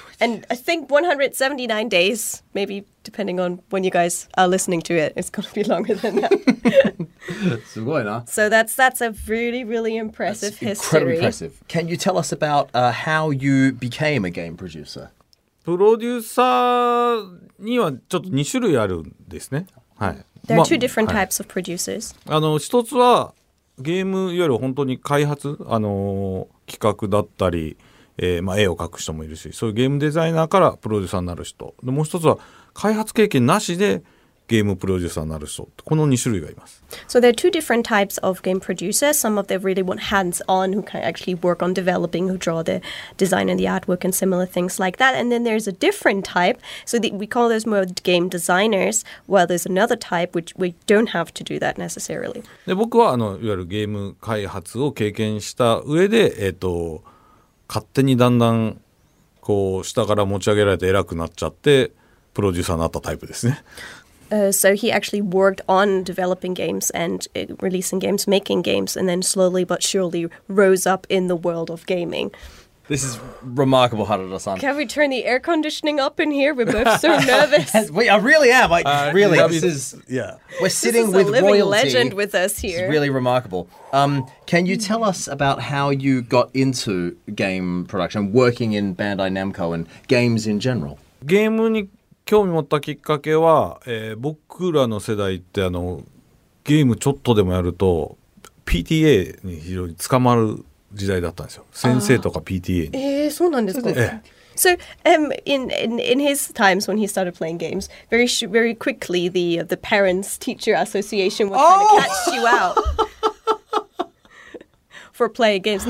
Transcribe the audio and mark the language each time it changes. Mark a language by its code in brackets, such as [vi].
[en] And I think 179 days, maybe depending on when you guys are listening to it, it's going to be longer than that. So that's a really, really impressive history. Incredibly impressive. Can you tell us about how you became a game producer? [ja] プロデューサーにはちょっと2種類あるんですね。はい。 [en] There are two different types of producers. [ja] あの、一つはゲーム、いわゆる本当に開発、あの、企画だったり、絵を描く人もいるし、そういうゲームデザイナーからプロデューサーになる人。で、もう一つは開発経験なしでゲームプロデューサーになる人、この2種類がいます。 [en] So there are two different types of game producers. Some of them really want hands-on, who can actually work on developing, who draw the design and the artwork and similar things like that. And then there's a different type. So we call those more game designers. Well, there's another type which we don't have to do that necessarily. [ja] で、僕はあのいわゆるゲーム開発を経験した上で、勝手にだんだんこう下から持ち上げられて偉くなっちゃってプロデューサーになったタイプですね。 [en] So he actually worked on developing games and releasing games, making games, and then slowly but surely rose up in the world of gaming. This is remarkable, Harada-san. Can we turn the air conditioning up in here? We're both so nervous. We're sitting with royalty. This is a living legend with us here. It's really remarkable. Can you tell us about how you got into game production, working in Bandai Namco and games in general? [ja] Game-ni... 興味持ったきっかけは、僕らの世代ってあのゲームちょっとでもやると PTA に非常に捕まる時代だったんですよ。先生とか PTA に。そうなんですか。 [en] So in his times when he started playing games, very very quickly the parents teacher association would kind of catch you out for playing games.